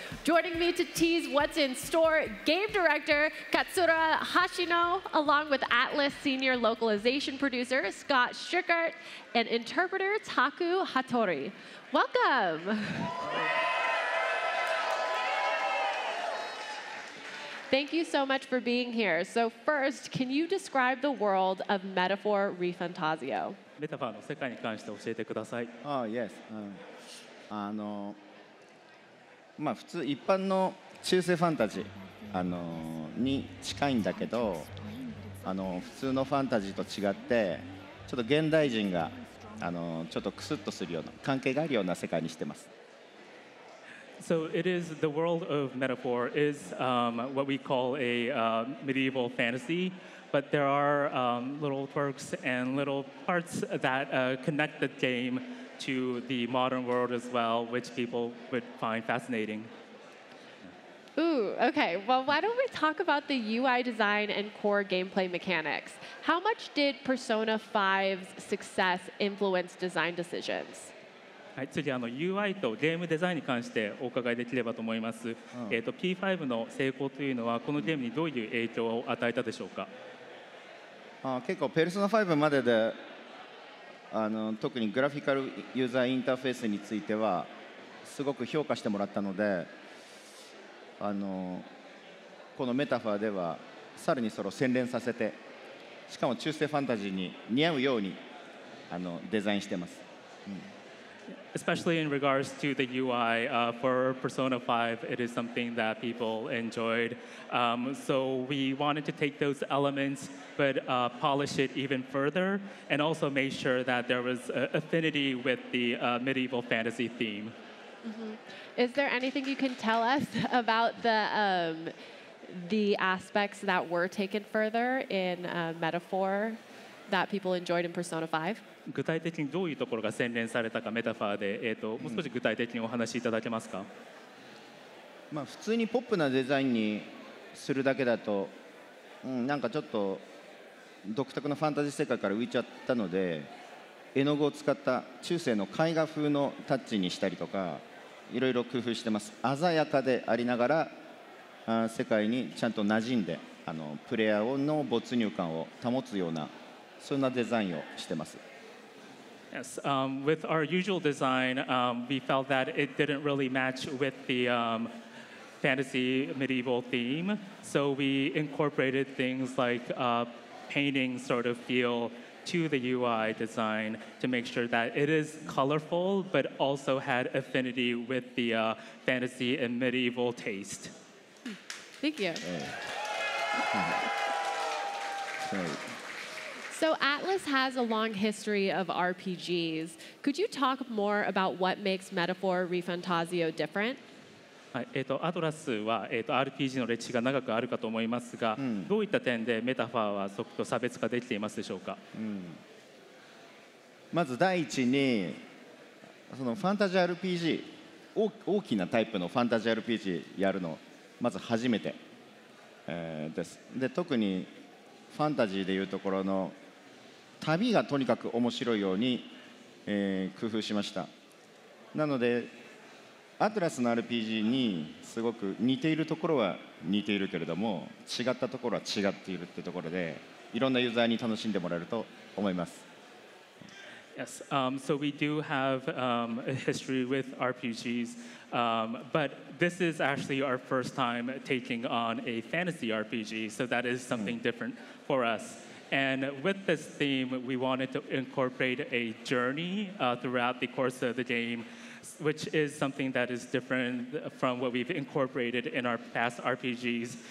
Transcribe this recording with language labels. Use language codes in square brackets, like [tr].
[en] Joining me to tease what's in store, game director Katsura Hashino, along with Atlas senior localization producer Scott Schickert, and interpreter Taku Hattori. Welcome. Thank you so much for being here. So first, can you describe the world of Metaphor Re Fantasio? [ja] Metaphor の世界に関して教えてください。 [en] Oh, yes. [ja] まあ普通一般の中世ファンタジー、に近いんだけど、普通のファンタジーと違って、ちょっと現代人が、ちょっとクスッとするような、関係があるような世界にしてます。 [en] So it is the world of Metaphor is what we call a medieval fantasy, but there are little quirks and little parts that connect the game to the modern world as well, which people would find fascinating. Ooh, okay. Well, why don't we talk about the UI design and core gameplay mechanics? How much did Persona 5's success influence design decisions? [ja] はい、次UI とゲームデザインに関してお伺いできればと思います、うん、P5 の成功というのはこのゲームにどういう影響を与えたでしょうか。あ、結構 Persona 5までで特にグラフィカルユーザーインターフェースについてはすごく評価してもらったので、このメタファーではさらにそれを洗練させて、しかも中世ファンタジーに似合うようにデザインしてます。うん、 [en] Especially in regards to the UI for Persona 5, it is something that people enjoyed. So we wanted to take those elements, but polish it even further, and also make sure that there was affinity with the medieval fantasy theme. Mm-hmm. Is there anything you can tell us about the aspects that were taken further in Metaphor that people enjoyed in Persona 5? [ja] 具体的にどういうところが洗練されたかメタファーで、もう少し具体的にお話しいただけますか。うん、まあ、普通にポップなデザインにするだけだと、うん、なんかちょっと独特のファンタジー世界から浮いちゃったので、絵の具を使った中世の絵画風のタッチにしたりとか、いろいろ工夫してます。鮮やかでありながら、あ、世界にちゃんと馴染んで、プレイヤーの没入感を保つような、そんなデザインをしてます。 [en] Yes, with our usual design, we felt that it didn't really match with the fantasy medieval theme. So we incorporated things like a painting sort of feel to the UI design to make sure that it is colorful, but also had affinity with the fantasy and medieval taste. Thank you. Sorry. So Atlas has a long history of RPGs. Could you talk more about what makes Metaphor Re Fantasio different? [ja] アトラスは RPG の歴史が長くあるかと思いますが、うん、どういった点でメタファーはそこと差別化できていますでしょうか。まず第一に、そのファンタジー RPG、 大きなタイプのファンタジー RPG やるのまず初めて、です。で、特にファンタジーでいうところの旅がとにかく面白いように、工夫しました。なのでアトラスの RPG にすごく似ているところは似ているけれども、違ったところは違っているってところで、いろんなユーザーに楽しんでもらえると思います。 [en] Yes,、so we do have、a history with RPGs、but this is actually our first time taking on a fantasy RPG, so that is something different for usAnd with this theme, we wanted to incorporate a journey throughout the course of the game, which is something that is different from what we've incorporated in our past RPGs.